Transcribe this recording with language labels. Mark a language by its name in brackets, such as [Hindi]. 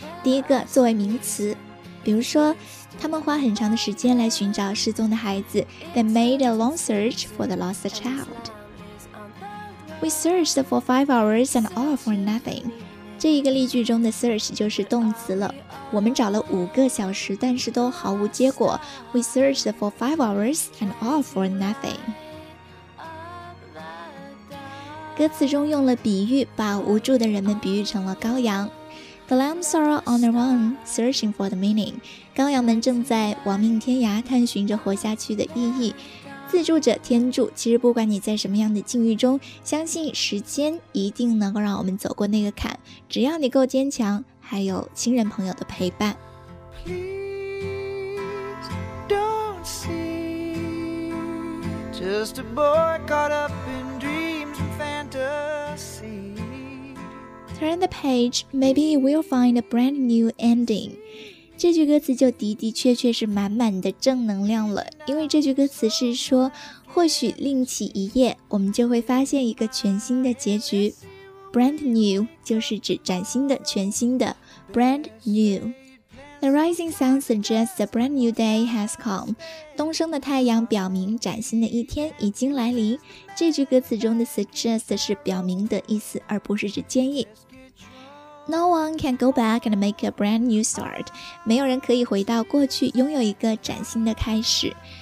[Chinese] 第一个作为名词，比如说，他们花很长的时间来寻找失踪的孩子。 [English] They made a long search for the lost child. We searched for 5 hours and all for nothing. [Chinese] 这一个例句中的 search 就是动词了。我们找了5个小时，但是都毫无结果。 [English] We searched for 5 hours and all for nothing. [Chinese] 歌词中用了比喻，把无助的人们比喻成了羔羊。 [English] The lambs are on the run, searching for the meaning. [Chinese] 羔羊们正在亡命天涯，探寻着活下去的意义。自助者天助，其实不管你在什么样的境遇中，相信时间一定能够让我们走过那个坎，只要你够坚强，还有亲人朋友的陪伴。 [English] Please don't see just a boy caught up in dreams and fantasy. Turn the page, maybe we'll find a brand new ending. [Chinese] 这句歌词就的的确确是满满的正能量了，因为这句歌词是说，或许另起一页，我们就会发现一个全新的结局。 Brand new 就是指崭新的、全新的。Brand new. [English] The rising sun suggests a brand new day has come. [Chinese] 东升的太阳表明崭新的一天已经来临。这句歌词中的 suggest 是表明的意思，而不是指建议。 [English] No one can go back and make a brand new start. [Chinese] 没有人可以回到过去拥有一个崭新的开始。